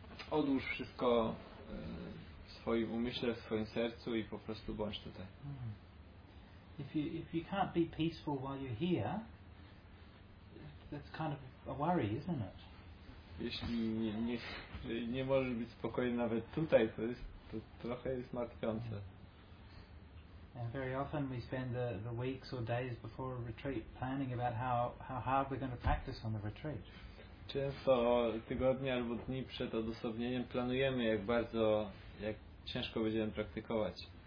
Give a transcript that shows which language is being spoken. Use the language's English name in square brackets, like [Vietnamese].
[Polish] Odłóż wszystko w swoim umyśle, w swoim sercu i po prostu bądź tutaj. [English] If you can't be peaceful while you're here, that's kind of a worry, isn't it? [Polish] Jeśli nie możesz być spokojny nawet tutaj, to trochę jest martwiące. [English] And very often we spend the weeks or days before a retreat planning about how hard we're going to practice on the retreat. [Polish] Często tygodnie albo dni przed odosobnieniem planujemy, jak ciężko będziemy praktykować.